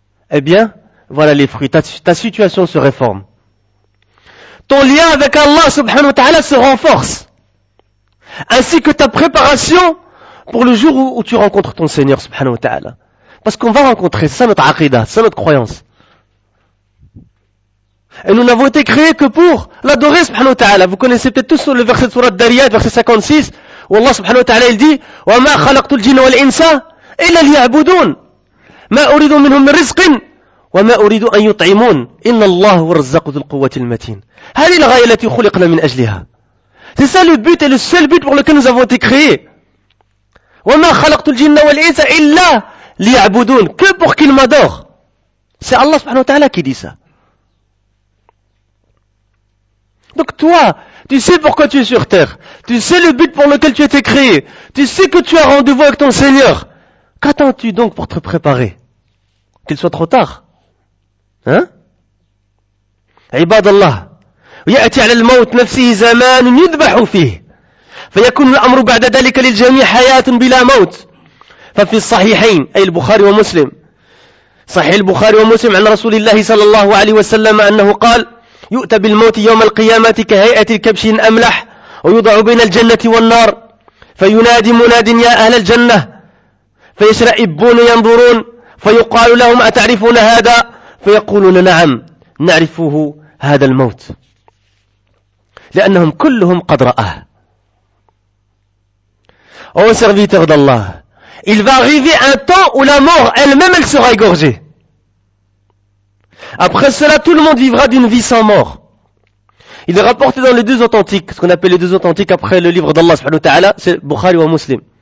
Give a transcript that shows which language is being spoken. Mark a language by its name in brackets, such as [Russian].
[French] Eh bien, voilà les fruits. Ta situation se réforme. Ton lien avec Allah subhanahu wa ta'ala se renforce. Ainsi que ta préparation pour le jour où tu rencontres ton Seigneur subhanahu wa ta'ala. Parce qu'on va rencontrer, c'est ça notre aqidah, c'est ça notre croyance. Et nous n'avons été créés que pour l'adorer subhanahu wa ta'ala. Vous connaissez peut-être tous le verset de surat Dariyat, verset 56, où Allah subhanahu wa ta'ala il dit [Arabic] « وَمَا خَلَقْتُ الْجِنَّ وَالْإِنْسَ إِلَّا لِيَعْبُدُونَ مَا أُرِيدُ مِنْهُمْ مِنْ رِزْقٍ وَمَا أُرِيدُ أَنْ يُطْعِمُونَ إِنَّ اللَّهُ وَرَزَّقُ ذُو الْقُوَّةِ الْمَتِينَ. هَلِي الْغَيَ الَّتِي خُلِقْنَا مِنْ أَجْلِهَا. [French] C'est ça le but et le seul but pour lequel nous avons été créés. [Arabic] وَمَا خَلَقْتُ الْجِنَّ وَالْإِنْسَ إِلَّا لِيَعْبُدُونَ. [French] Que pour qu'il m'adore. C'est Allah subhanahu wa ta'ala qui dit ça. Donc toi, tu sais pourquoi tu es sur terre. Tu sais le but pour lequel tu as été créé. Tu sais que tu as rendez-vous avec ton Seigneur. Qu'attends-tu donc pour te préparer? Qu'il soit trop tard. [Arabic] عباد الله ويأتي على الموت نفسه زمان يذبح فيه فيكون الأمر بعد ذلك للجميع حياة بلا موت. ففي الصحيحين أي البخاري ومسلم, صحيح البخاري ومسلم, عن رسول الله صلى الله عليه وسلم أنه قال يؤتى بالموت يوم القيامة كهيئة الكبش الأملح ويوضع بين الجنة والنار فينادي مناد يا أهل الجنة فيشرئبون ينظرون فيقال لهم أتعرفون هذا فيقولون نعم نعرفه هذا الموت لأنهم كلهم قد رآه. [French] Ô serviteur d'Allah, il va arriver un temps où la mort elle-même elle sera égorgée. Après cela, tout le monde vivra d'une vie sans mort. Il est rapporté dans les deux authentiques, ce qu'on appelle les deux authentiques après le livre d'Allah subhanahu wa ta'ala, c'est Bukhari wa Muslim.